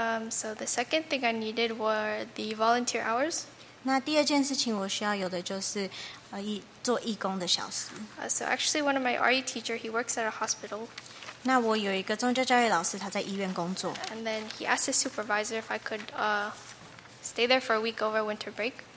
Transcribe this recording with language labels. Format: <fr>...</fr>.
<en>So the second thing I needed were the volunteer hours.</en> <zh>那第二件事情我需要有的就是做义工的小时。</zh> <en>So actually one of my RE teacher, he works at a hospital.</en> <zh>那我有一个宗教教育老师他在医院工作。</zh> <en>And then he asked his supervisor if I could stay there for a week over winter break.</en>